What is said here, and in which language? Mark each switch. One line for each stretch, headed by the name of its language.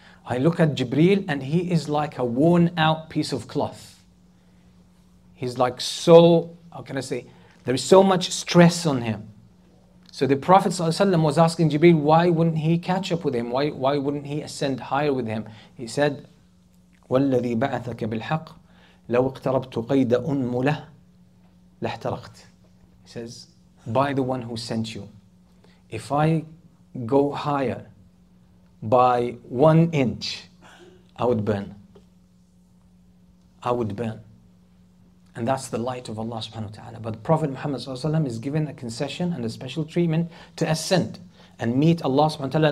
English: I look at Jibreel and he is like a worn out piece of cloth. He's like so, how can I say, there is so much stress on him. So the Prophet ﷺ was asking Jibreel, why wouldn't he catch up with him? Why wouldn't he ascend higher with him?
Arabic: He said, وَالَّذِي بَعَثَكَ بِالْحَقِّ لَوْ اقْتَرَبْتُ قَيْدَ أُنْمُلَهُ لَحْتَرَقْتِ.
English: He says, by the one who sent you, if I go higher by 1 inch, I would burn. And that's the light of Allah subhanahu wa ta'ala. But Prophet Muhammad sallallahu alayhi wa sallam is given a concession and a special treatment to ascend and meet Allah subhanahu wa ta'ala.